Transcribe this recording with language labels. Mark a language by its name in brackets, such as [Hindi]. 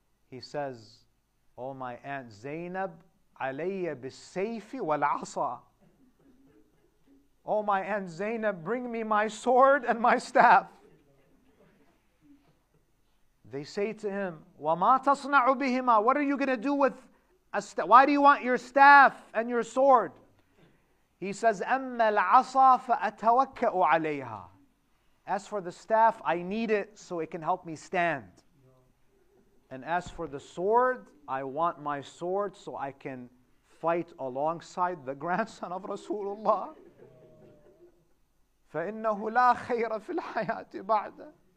[English] He says, oh my aunt Zainab, [Arabic] alayya bis-sayfi wal-asa. [English] Oh my aunt Zainab, bring me my sword and my staff. They say to him, [Arabic] وَمَا تَصْنَعُ بِهِمَا? [English] What are you going to do with a staff? Why do you want your staff and your sword? He says, [Arabic] أَمَّا الْعَصَى فَأَتَوَكَّأُ عَلَيْهَا. [English] As for the staff, I need it so it can help me stand. And as for the sword, I want my sword so I can fight alongside the grandson of Rasulullah. [Arabic] فَإِنَّهُ لَا خَيْرَ فِي الْحَيَاةِ بَعْدَ.